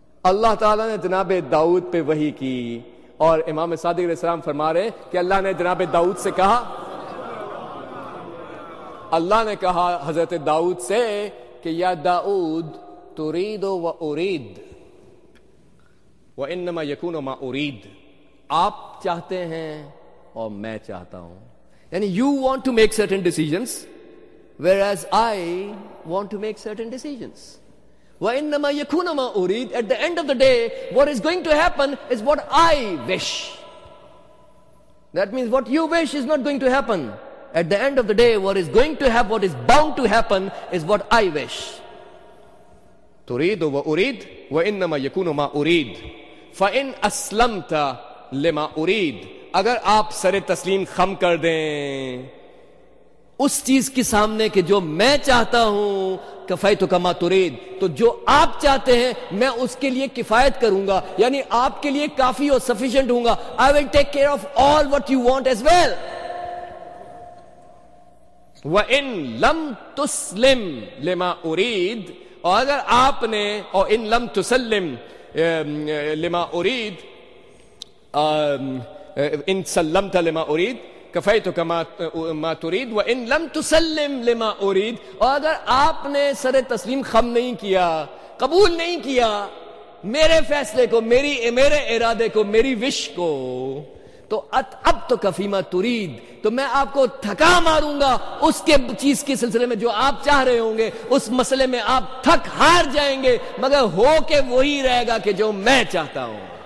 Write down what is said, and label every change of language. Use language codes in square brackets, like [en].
[ur] اللہ تعالیٰ نے جناب داؤد پہ وحی کی اور امام صادق علیہ السلام فرما رہے کہ اللہ نے جناب داؤد سے کہا, اللہ نے کہا حضرت داؤد سے کہ یا داؤد [ar] تريد و اريد وانما يكون ما اريد, [ur] آپ چاہتے ہیں اور میں چاہتا ہوں, یعنی [en] you want to make certain decisions [ur] where as I want to make certain decisions. [ar] وَإِنَّمَا يَكُونَ مَا أُرِيد, [en] at the end of the day what is going to happen is what I wish, that means what you wish is not going to happen, at the end of the day what is going to happen, what is bound to happen is what I wish. [ar] تُرِيدُ وَأُرِيد وَإِنَّمَا يَكُونُ مَا أُرِيد فَإِنْ أَسْلَمْتَ لِمَا أُرِيد, [ur] اگر آپ سر تسلیم خم کر دیں اس چیز کے سامنے کہ جو میں چاہتا ہوں, [ar] کفایت کما ترید, [ur] تو جو آپ چاہتے ہیں میں اس کے لیے کفایت کروں گا, یعنی آپ کے لیے کافی اور سفیشنٹ ہوں گا. [en] I will take care of all what you want as well. [ar] وَإِن لَمْ تُسْلِمْ لِمَا أُرِيد, [ur] اور اگر آپ نے, [ar] اور ان لم تسلم لما اريد ان سلمت لما اريد كفيتك ما تريد وان لم تسلم لما اريد. [ur] اگر آپ نے سر تسلیم خم نہیں کیا, قبول نہیں کیا میرے فیصلے کو, میرے ارادے کو, میری وش کو, تو اب تو [ar] کفیما ترید, [ur] تو میں آپ کو تھکا ماروں گا اس کے چیز کے سلسلے میں جو آپ چاہ رہے ہوں گے, اس مسئلے میں آپ تھک ہار جائیں گے, مگر ہو کے وہی رہے گا کہ جو میں چاہتا ہوں.